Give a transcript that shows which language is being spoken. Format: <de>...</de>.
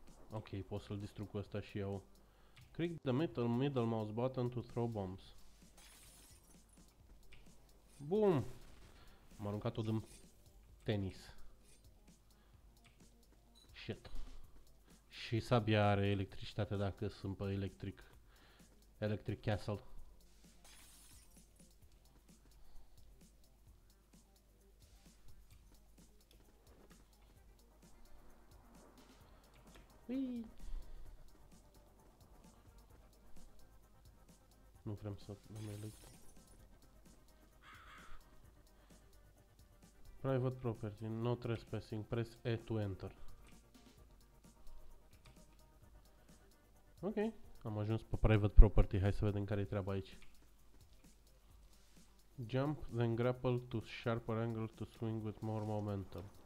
<ro>Ok, pot să-l distrug cu ăsta și eu.</ro> <en>Click the middle mouse button to throw bombs.</en> <ro>Boom! Am aruncat-o din tenis.</ro> <en>Shit.</en> <ro>Și sabia are electricitate dacă sunt pe electric castle. Ui. Nu vrem să nu mai lupt.</ro> <en>Private property, no trespassing, press E to enter.</en> <ro>Ok, am ajuns pe private property, hai să vedem care e treaba aici.</ro> <en>Jump, then grapple to sharper angle to swing with more momentum.</en>